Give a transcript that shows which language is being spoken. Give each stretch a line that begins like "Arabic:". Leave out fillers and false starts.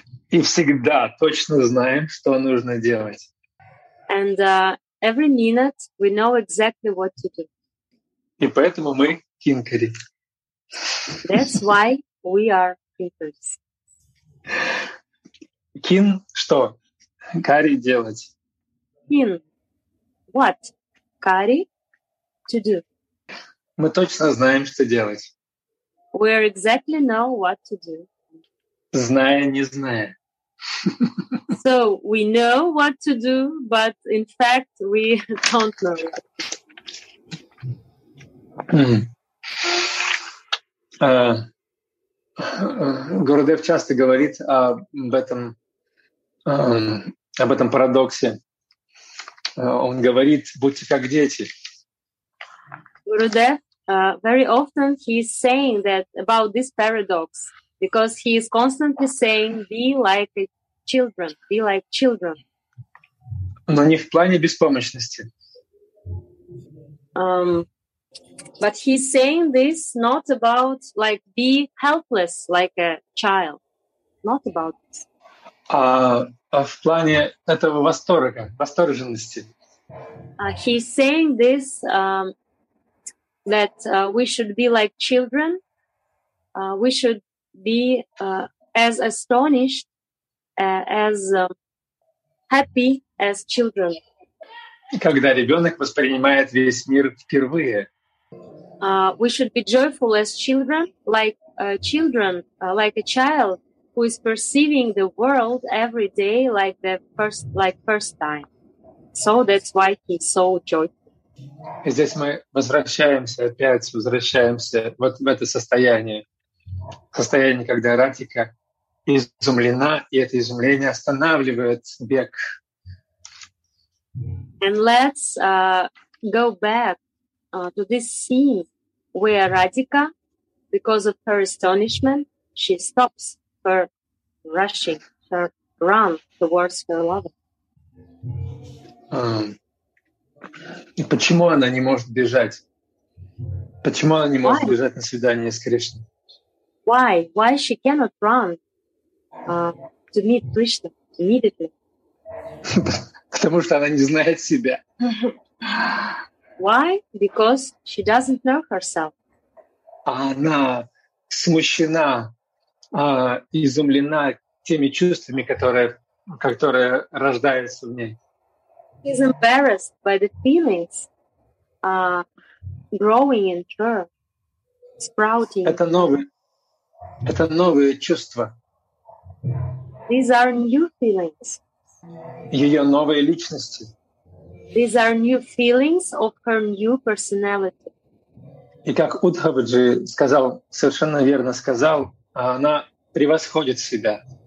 Russian: И всегда точно знаем, что нужно делать.
English: And every minute we know exactly what to do.
Russian: И поэтому мы кинкари.
English: That's why we are kinkaris.
Russian: Кин что? Кари делать.
English: Кин. What? Кари to do.
Russian: Мы точно знаем, что делать.
English: We exactly know what to do.
Russian: Зная, не зная.
English: So we know what to do, but in fact we don't know.
Russian: Gurudev часто говорит об этом парадоксе. Он говорит: будьте как дети.
English: Gurudev very often he is saying that about this paradox, because he is constantly saying be like a children, be like children.
Russian: Но не в плане беспомощности.
English: But he's saying this not about like be helpless like a child, not about this.
Russian: В плане этого восторга, восторженности.
English: He's saying this that we should be like children. We should be as astonished, as happy as children.
Russian: Когда ребенок воспринимает весь мир впервые.
English: We should be joyful as children, like children, like a child who is perceiving the world every day, like the first, like first time. So that's why he's so joyful.
Russian: И здесь мы возвращаемся опять, возвращаемся вот в это состояние, состояние, когда Радхика изумлена, и это изумление останавливает бег.
English: And let's go back to this scene where Radhika, because of her astonishment, she stops her rushing, her run towards her lover.
Russian: И почему она не может бежать? Почему она не
English: Why?
Russian: Может бежать на свидание с Кришной?
English: Why? Why she cannot run to meet Krishna immediately?
Russian: Потому что она не знает себя.
English: Why? Because she doesn't know herself.
Russian: Она смущена, изумлена теми чувствами, которые рождаются в ней.
English: She's embarrassed by the feelings growing in her, sprouting.
Russian: Это новые чувства.
English: These are new feelings.
Russian: Ее новые личности.
English: These are new feelings of her new personality.
Russian: И как Удхаваджи сказал, совершенно верно сказал, она превосходит себя.